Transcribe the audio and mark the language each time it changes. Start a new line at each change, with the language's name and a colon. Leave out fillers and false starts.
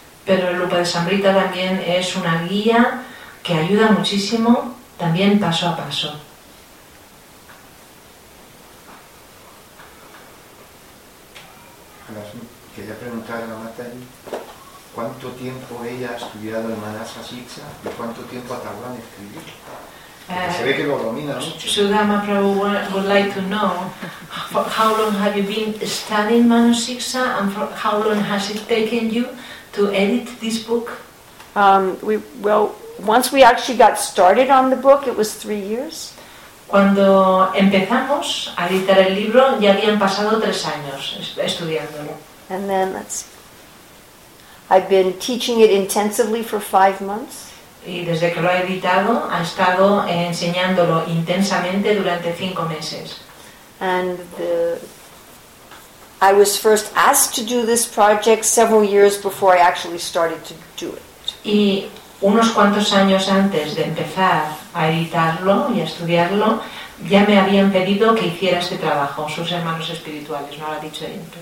Spanish: Pero el Upadeshamrita también es una guía que ayuda muchísimo, también paso a paso. Quería preguntar a Matari, ¿cuánto tiempo ella ha estudiado el Manasiksha y cuánto tiempo ha tardado en escribir? Se ve que lo domina mucho.
English: Sudama Prabhu would like to know, how long have you been studying Manasiksha and how long has it taken you to edit this book? Once we actually got started on the book, it was 3 years.
Spanish: Cuando empezamos a editar el libro, ya habían pasado 3 años estudiándolo.
English: And then, let's see. I've been teaching it intensively for 5 months.
Spanish: Y desde que lo ha editado, ha estado enseñándolo intensamente durante 5 meses.
English: And I was first asked to do this project several years before I actually started to do it.
Spanish: Y unos cuantos años antes de empezar a editarlo y a estudiarlo, ya me habían pedido que hiciera este trabajo, sus hermanos espirituales, no lo ha dicho él.